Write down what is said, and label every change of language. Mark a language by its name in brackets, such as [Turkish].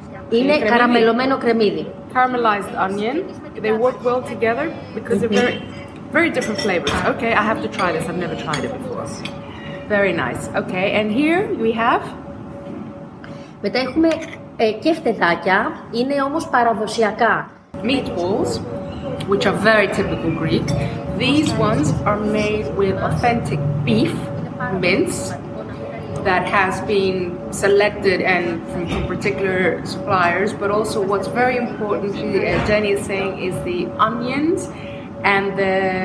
[Greek] Είναι καραμελωμένο κρεμμύδι. [English] Caramelized onion. They work well together because they're very, very different flavors. Okay, I have to try this. I've never tried it before. Very nice. Okay, and here we have? [Greek] Μετά έχουμε κεφτεδάκια. Είναι όμως παραδοσιακά. [English] Meatballs. Which are very typical Greek. These ones are made with authentic beef mince that has been selected and from particular suppliers. But also, what's very important, Jenny is saying, is the onions and the